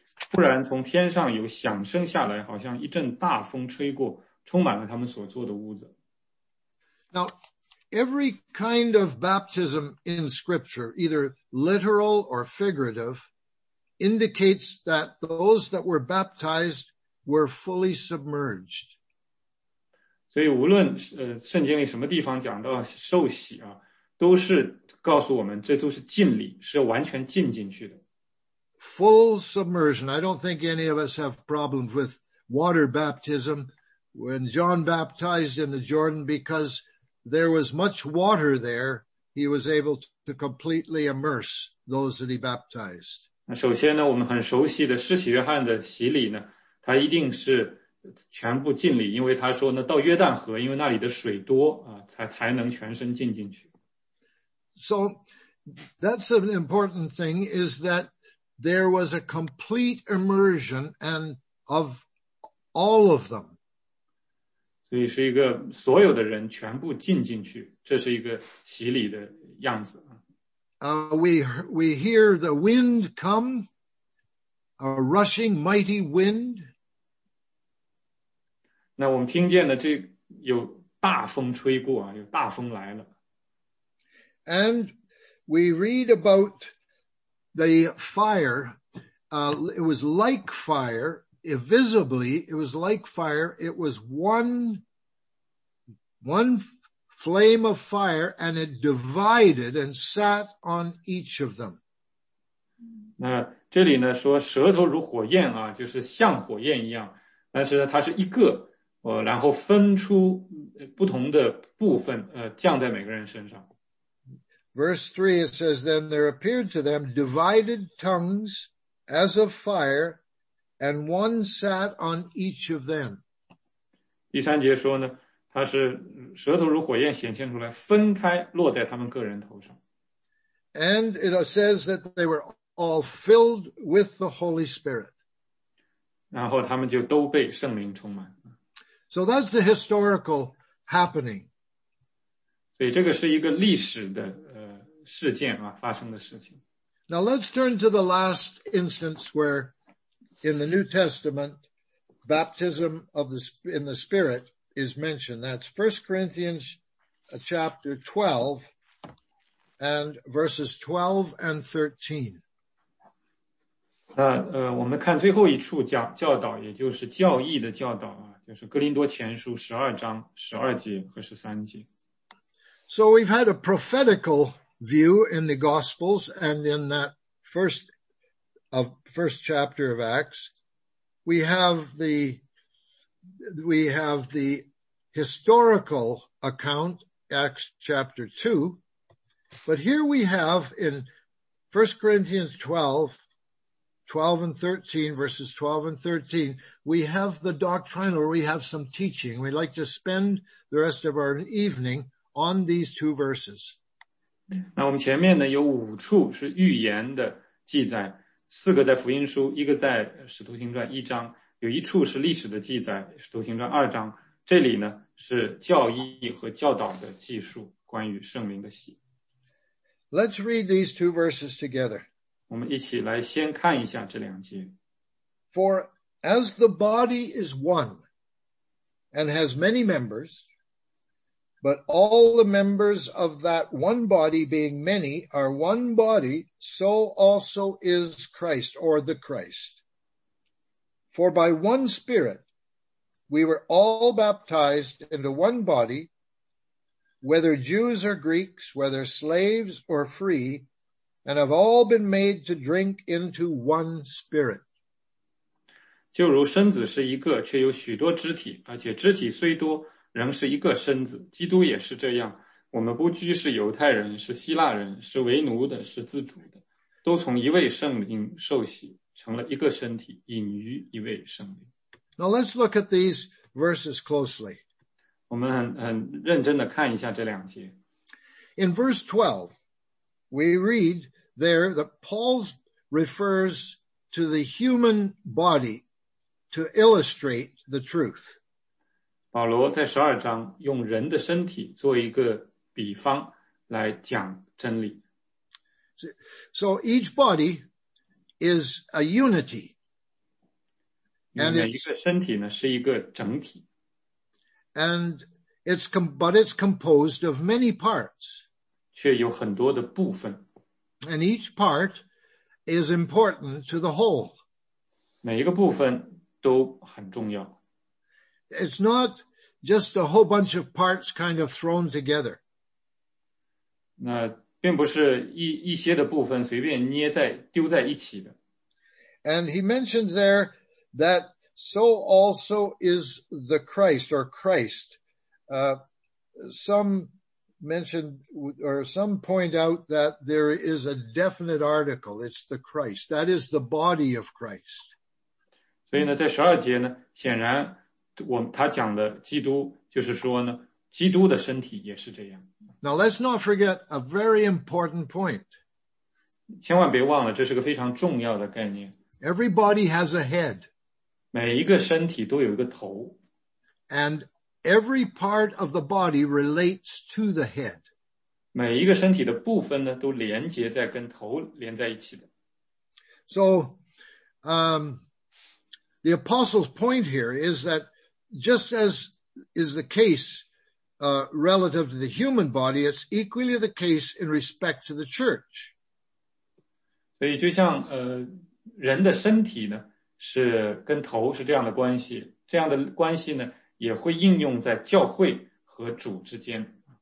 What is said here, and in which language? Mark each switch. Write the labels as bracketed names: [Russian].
[Chinese] 突然从天上有响声下来，好像一阵大风吹过，充满了他们所坐的屋子。 [English] Now, every kind of baptism in scripture, either literal or figurative, indicates that those that were baptized were fully submerged. [Chinese] 所以无论圣经里什么地方讲到受洗啊，都是告诉我们这都是浸礼，是完全浸进去的。 [English] Full submersion. I don't think any of us have problems with water baptism when John baptized in the Jordan because there was much water there. He was able to completely immerse those that he baptized. [Chinese] 首先呢，我们很熟悉的施洗约翰的洗礼呢，他一定是全部浸礼，因为他说呢，到约旦河，因为那里的水多啊，才能全身浸进去。 [English] So that's an important thing is that there was a complete immersion and of all of them. [Chinese] 所以是一个所有的人全部浸进去，这是一个洗礼的样子。 [English] We hear the wind come, a rushing mighty wind. [Chinese] 那我们听见的这有大风吹过啊，有大风来了。 [English] And we read about the fire, it was like fire, visibly, it was like fire, it was one flame of fire, and it divided and sat on each of them. [Chinese] 那这里呢说舌头如火焰啊，就是像火焰一样，但是呢它是一个，然后分出不同的部分，降在每个人身上。 [English] Verse 3, it says, Then there appeared to them divided tongues as of fire, and one sat on each of them. [Chinese] 第三节说呢，它是舌头如火焰显现出来，分开落在他们个人头上。 [English] And it says that they were all filled with the Holy Spirit. [Chinese] 然后他们就都被圣灵充满。 [English] So that's the historical happening. [Chinese] 所以这个是一个历史的事件啊，发生的事情。 [English] Now let's turn to the last instance where in the New Testament baptism of the, in the Spirit is mentioned. That's 1 Corinthians chapter 12 and verses 12 and 13. [Chinese] 那我们看最后一处教导，也就是教义的教导啊，就是哥林多前书12章12节和13节。 [English] So we've had a prophetical view in the Gospels and in that first chapter of Acts, we have the historical account, Acts chapter 2, but here we have in 1 Corinthians 12 and 13, we have the doctrinal, we have some teaching. We'd like to spend the rest of our evening on these two verses. [Chinese] 那我们前面呢有五处是预言的记载，四个在福音书，一个在使徒行传一章，有一处是历史的记载，使徒行传二章，这里呢是教义和教导的记述，关于圣灵的洗。 [English] Let's read these two verses together. [Chinese] 我们一起来先看一下这两节。 [English] For as the body is one and has many members,But all the members of that one body being many are one body, so also is Christ or the Christ. For by one Spirit, we were all baptized into one body, whether Jews or Greeks, whether slaves or free, and have all been made to drink into one Spirit. [Chinese] 就如身子是一个，却有许多肢体，而且肢体虽多，仍是一个身子，基督也是这样。我们不拘是犹太人，是希腊人，是为奴的，是自主的，都从一位圣灵受洗，成了一个身体，隐于一位圣灵。 [English] Now let's look at these verses closely. [Chinese] 我们很认真地看一下这两节。 [English] In verse 12, we read there that Paul refers to the human body to illustrate the truth. [Chinese] 保罗在十二章用人的身体做一个比方来讲真理。 [English] So each body is a unity. [Chinese] 每一个身体呢是一个整体。 [English] But it's composed of many parts. [Chinese] 却有很多的部分。 [English] And each part is important to the whole. [Chinese] 每一个部分都很重要。 [English] It's not just a whole bunch of parts kind of thrown together. [Chinese] 那并不是 一些的部分随便捏在丢在一起的。 [English] And he mentions there that so also is the Christ or Christ. Some point out that there is a definite article. It's the Christ. That is the body of Christ. [Chinese] 所以呢在十二节呢显然他讲的基督就是说呢基督的身体也是这样。 [English] Now let's not forget a very important point. [Chinese] 千万别忘了这是个非常重要的概念。 [English] Everybody has a head. [Chinese] 每一个身体都有一个头。 [English] And every part of the body relates to the head. [Chinese] 每一个身体的部分呢都连接在跟头连在一起的。 [English] So, the apostle's point here is that just as is the case relative to the human body, it's equally the case in respect to the church. [Chinese] 所以就像人的身体呢是跟头是这样的关系，这样的关系呢也会应用在教会和主之间。